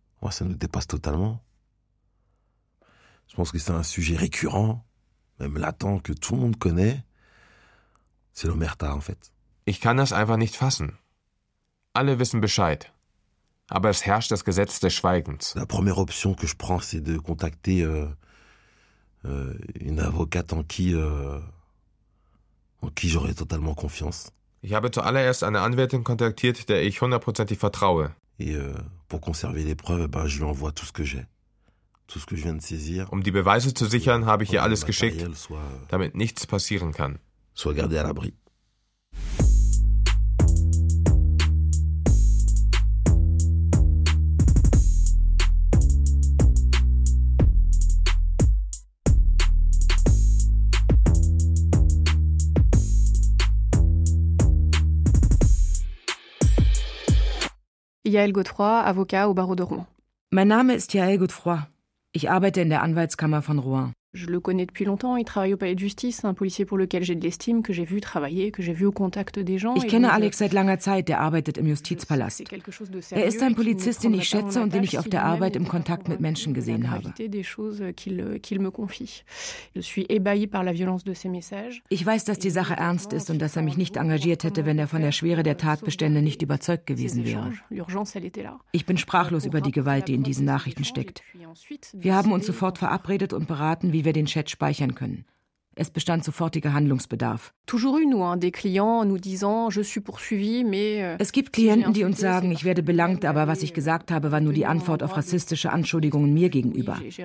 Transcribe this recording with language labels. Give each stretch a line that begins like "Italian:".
French: Ça nous dépasse totalement. Je pense que c'est un sujet récurrent, même latent, que tout le monde connaît. C'est l'omerta, en fait.
German: Ich kann das einfach nicht fassen. Alle wissen Bescheid. Aber es herrscht das Gesetz des Schweigens.
French: La première option que je prends, c'est de contacter une avocate en qui j'aurais totalement confiance.
German: Ich habe zuallererst eine Anwältin kontaktiert, der ich hundertprozentig vertraue.
French: Pour conserver les preuves, ben, je lui envoie tout ce que j'ai. Tout ce que je viens de saisir.
German: Um die Beweise zu sichern, habe ich ihr alles geschickt, damit nichts passieren kann.
French: Soit gardé à l'abri. Yael Godefroy, avocat au barreau de Rouen.
German: Mein Name ist Yael Godefroy. Ich arbeite in der Anwaltskammer von Rouen.
French: Je le connais depuis longtemps, il travaille au palais de justice, un policier pour lequel j'ai de l'estime, que j'ai vu travailler, que j'ai vu au contact des gens.
German: Ich kenne Alex seit langer Zeit, der arbeitet im Justizpalast. Ist ein Polizist, den ich schätze und den ich auf der Arbeit im Kontakt mit Menschen gesehen habe.
French: Qu'il me confie. Je suis ébahie par la violence de ses messages.
German: Ich weiß, dass die Sache ernst ist und dass er mich nicht engagiert hätte, wenn er von der Schwere der Tatbestände nicht überzeugt gewesen wäre.
French: L'urgence, elle était là.
German: Ich bin sprachlos über die Gewalt, die in diesen Nachrichten steckt. Wir haben uns sofort verabredet und beraten, wie wir den Chat speichern können. Es bestand sofortiger Handlungsbedarf. Es gibt Klienten, die uns sagen, ich werde belangt, aber was ich gesagt habe, war nur die Antwort auf rassistische Anschuldigungen mir gegenüber.